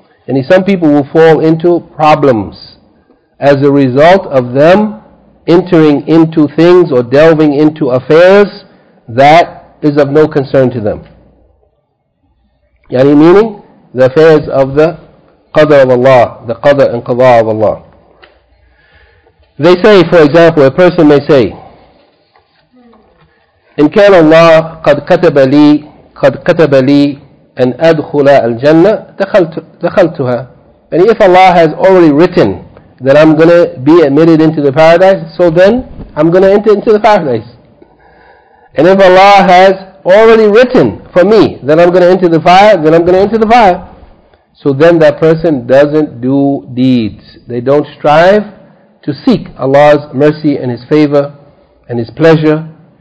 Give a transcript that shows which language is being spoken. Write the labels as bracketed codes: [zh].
[en] And some people will fall into problems as a result of them entering into things or delving into affairs that is of no concern to them. Yani, meaning the affairs of the qadr of Allah, the qadr and qadr of Allah. They say, for example, a person may say, [ar] إن كان الله قد كتب لي أن أدخل الجنة دخلتها. [en] And if Allah has already written that I'm going to be admitted into the paradise, so then I'm going to enter into the paradise. And if Allah has already written for me that I'm going to enter the fire, then I'm going to enter the fire. So then that person doesn't do deeds. They don't strive to seek Allah's mercy and His favor and His pleasure.